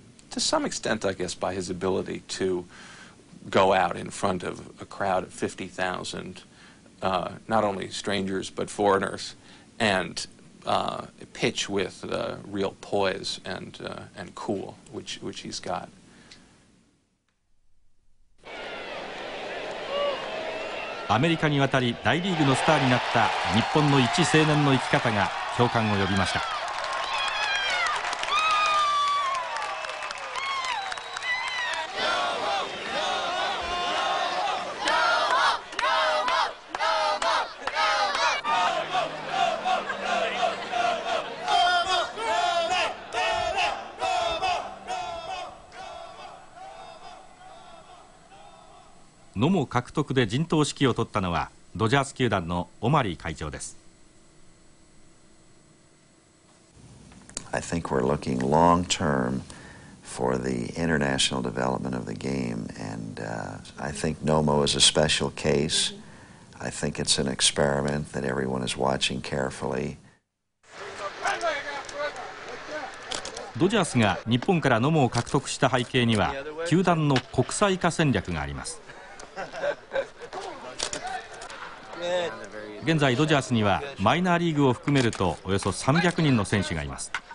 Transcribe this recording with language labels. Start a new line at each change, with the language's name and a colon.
English: To some extent, I guess, by his ability to go out in front of a crowd of 50,000. Not only strangers but foreigners, and pitch with real poise and cool, which he's got.
Japanese: アメリカに渡り大リーグのスターになった日本の一青年の生き方が共感を呼びました。野茂獲得で陣頭指揮を取ったのはドジャース球団のオマリー会長です。
English: I think we're looking long term for the international development of the game, and I think Nomo is a special case. I think it's an experiment that everyone is watching carefully.
Japanese: ドジャースが日本から野茂を獲得した背景には球団の国際化戦略があります。現在ドジャースにはマイナーリーグを含めるとおよそ300人の選手がいます。